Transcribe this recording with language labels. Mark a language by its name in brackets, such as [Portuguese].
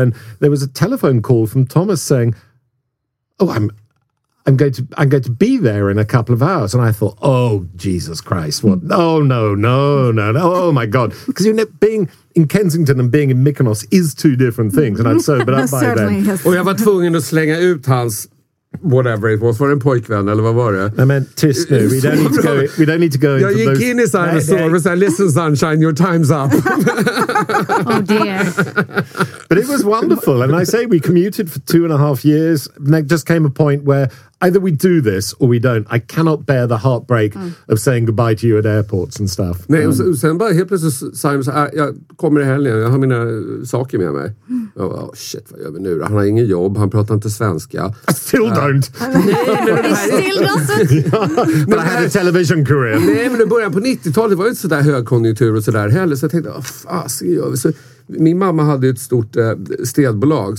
[English] And there was a telephone call from Thomas saying, "Oh, I'm going to be there in a couple of hours." And I thought, "Oh, Jesus Christ. What? Oh, no, no, no, no. Oh, my God." Because, you know, being in Kensington and being in Mykonos is two different things. And I'm sobered up by then. [Swedish] Och jag var tvungen att slänga ut hans [English] whatever it was. [Swedish] Var det en pojkvän eller vad var det? [English] I meant tis nu. We don't need to go into those. [Swedish] Jag gick in i sign och sa, "Hey, hey. [English] Listen, sunshine, your time's up." Oh, dear. But it was wonderful. And I say we commuted for 2.5 years. And there just came a point where either we do this or we don't. I cannot bear the heartbreak of saying goodbye to you at airports and stuff. [Swedish] Nej, och sen bara helt plötsligt sa han, jag kommer i helgen, jag har mina saker med mig. Oh, shit, vad gör vi nu då? Han har ingen jobb, han pratar inte svenska. [English] I still don't. Still don't. But I had a television career. [Swedish] Nej, men i början på 90-talet var det inte så där högkonjunktur och så där heller. Så jag tänkte, min mamma hade ett stort städbolag.